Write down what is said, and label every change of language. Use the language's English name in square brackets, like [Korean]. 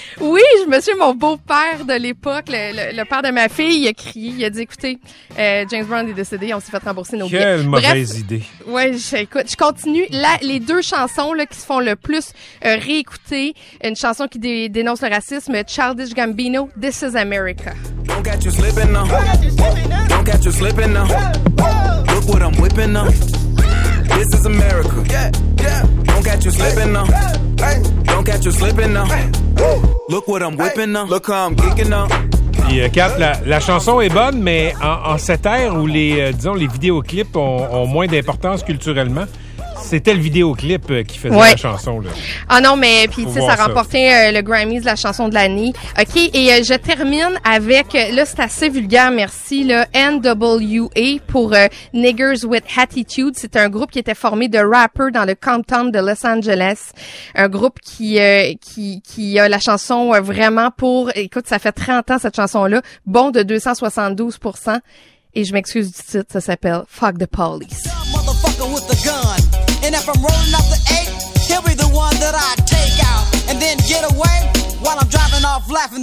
[French] Oui, je me suis mon beau-père de l'époque, le père de ma fille, il a crié, il a dit, écoutez, James Brown est décédé, on s'est fait rembourser nos billets. Quelle mauvaise Bref, idée. Ouais, écoute, je continue. Là, les deux chansons là, qui se font le plus réécouter, une chanson qui dénonce le racisme, Childish Gambino, This is America. [English] Don't get you slipping now. Don't get you slipping now. Look what I'm whipping now. This is America. Yeah, yeah. Don't catch you slipping now. Hey. Don't catch you slipping now. Hey. Look what I'm whipping now. Look how I'm geeking now. [French] Puis, Kat, la chanson est bonne, mais en cette ère où les, disons, les vidéoclips ont moins d'importance culturellement, c'était le vidéoclip qui faisait ouais. la chanson, là. Ah non, mais puis, tu sais, ça a remporté le Grammy de la chanson de l'année. OK, et je termine avec, là, c'est assez vulgaire, merci, là, N.W.A. pour Niggers with Attitude. C'est un groupe qui était formé de rappers dans le Compton de Los Angeles. Un groupe qui a la chanson vraiment pour... Écoute, ça fait 30 ans, cette chanson-là. Bon de 272%. Et je m'excuse du titre, ça s'appelle « Fuck the Police ». [English] And if I'm rolling up the 8, he'll be the one that I take out. And then get away while I'm driving off laughing.